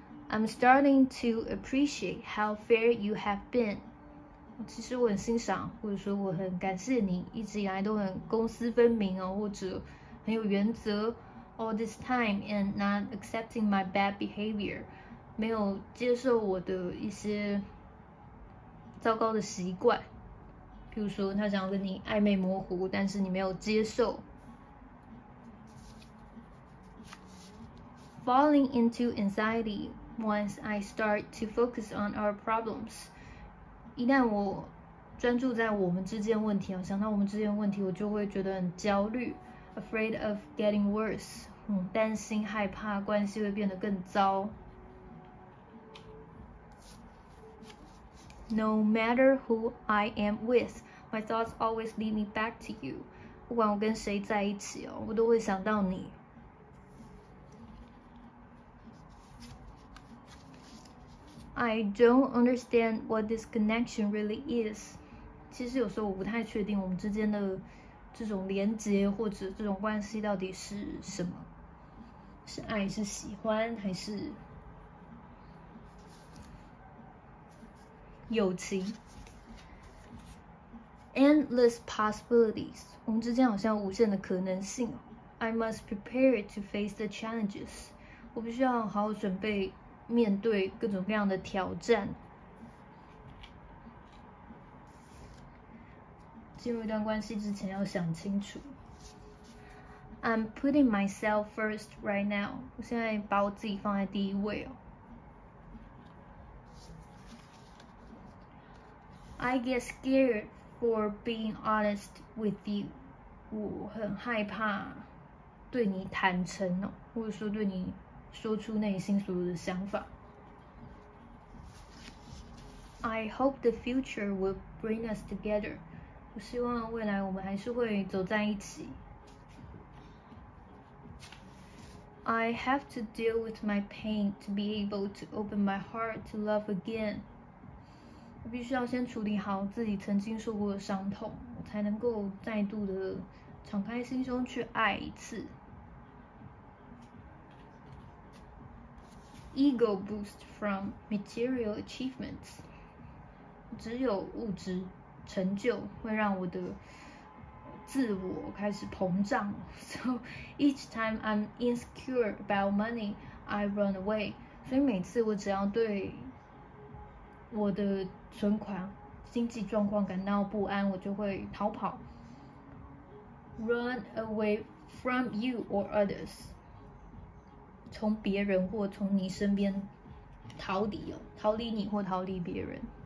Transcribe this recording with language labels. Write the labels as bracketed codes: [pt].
[en] I'm starting to appreciate how fair you have been。 [zh] 其实我很欣赏，或者说我很感谢你一直以来都很公私分明哦，或者很有原则。 [en] All this time and not accepting my bad behavior， [zh] 没有接受我的一些糟糕的习惯。譬如说他想要跟你暧昧模糊，但是你没有接受。 [en] Falling into anxiety once I start to focus on our problems， [zh] 一旦我专注在我们之间问题，想到我们之间问题，我就会觉得很焦虑。 [en] Afraid of getting worse， [zh] 担心害怕关系会变得更糟。 [en] No matter who I am with, my thoughts always lead me back to you. [zh] 不管我跟谁在一起哦，我都会想到你。 [en] I don't understand what this connection really is. [zh] 其实有时候我不太确定我们之间的这种连结或者这种关系到底是什么，是爱，是喜欢，还是友情。 [en] Endless possibilities， [zh] 我们之间好像无限的可能性。 [en] I must prepare to face the challenges， [zh] 我必须要好好准备面对各种各样的挑战。进入一段关系之前要想清楚。 [en] I'm putting myself first right now， [zh] 我现在把我自己放在第一位哦。 [en] I get scared for being honest with you. [zh] 我很害怕对你坦诚哦，或者说对你说出内心所有的想法。 [en] I hope the future will bring us together. [zh] 我希望未来我们还是会走在一起。 [en] I have to deal with my pain to be able to open my heart to love again. [zh] 我必须要先处理好自己曾经受过的伤痛，我才能够再度的敞开心胸去爱一次。 [en] Ego boost from material achievements. [zh] 只有物质成就会让我的自我开始膨胀。 [en] So each time I'm insecure about money, I run away. [zh] 所以每次我只要对我的存款、经济状况感到不安，我就会逃跑。 [en] Run away from you or others. [zh] 从别人或从你身边逃离哦，逃离你或逃离别人。